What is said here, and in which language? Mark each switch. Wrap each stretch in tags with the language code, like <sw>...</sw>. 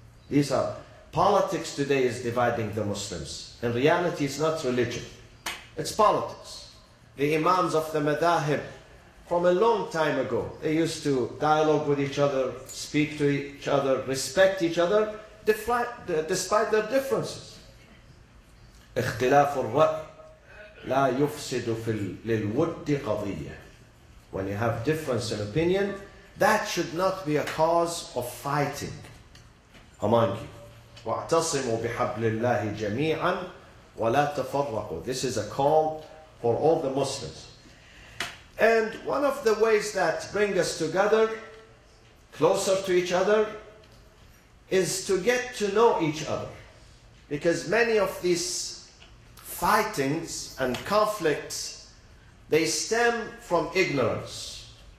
<en>These are politics today is dividing the Muslims. In reality, it's not religion. It's politics. The imams of the madahib, from a long time ago, they used to dialogue with each other, speak to each other, respect each other, despite their differences.</en> <ar>اختلاف الرأي لا يفسد في للود قضية.</ar> <en>When you have difference in opinion, that should not be a cause of fighting among you.</en> <ar>واعتصموا بحبل الله جميعا ولا تفرقوا.</ar> <en>This is a call for all the Muslims. And one of the ways that bring us together, closer to each other, is to get to know each other. Because many of these fightings and conflicts, they stem from ignorance.</en>